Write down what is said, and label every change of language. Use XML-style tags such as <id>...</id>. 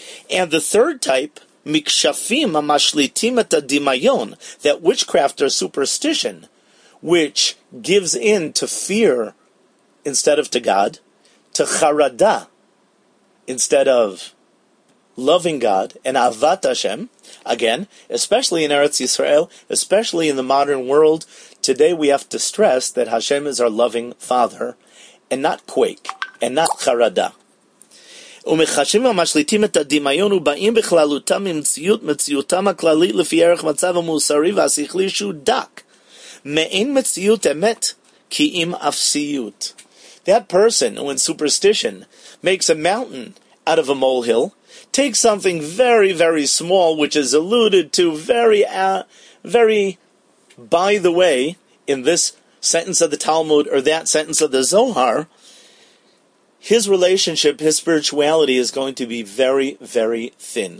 <en>And the third type,</en> <he>mikshafim amashlitim et adimayon,</he> <en>that witchcraft or superstition, which gives in to fear instead of to God, to charada instead of loving God, and</en> <he>avat Hashem,</he> <en>again, especially in Eretz Yisrael, especially in the modern world, today we have to stress that Hashem is our loving Father, and not quake, and not charada.</en> <he>ומחשים המשליטים את הדמיון ובאים בכללותם ממציאות מציאותם הכללית לפי ערך מצב המוסרי והשכלי שהוא דק. מעין מציאות אמת כי אם אפסיות.</he> <en>That person who in superstition makes a mountain out of a molehill, takes something very, very small, which is alluded to very, very, by the way, in this sentence of the Talmud or that sentence of the Zohar, his relationship, his spirituality is going to be very, very thin.</en>